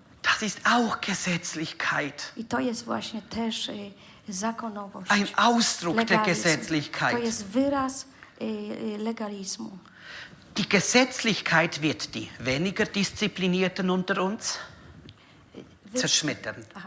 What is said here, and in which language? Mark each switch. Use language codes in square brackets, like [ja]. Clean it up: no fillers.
[de] Das ist auch Gesetzlichkeit. [pl] I to jest właśnie też zakonowość. [de] Ein Ausdruck der Gesetzlichkeit. [pl] To jest wyraz legalizmu. [de] Die Gesetzlichkeit wird die weniger Disziplinierten unter uns zerschmettern.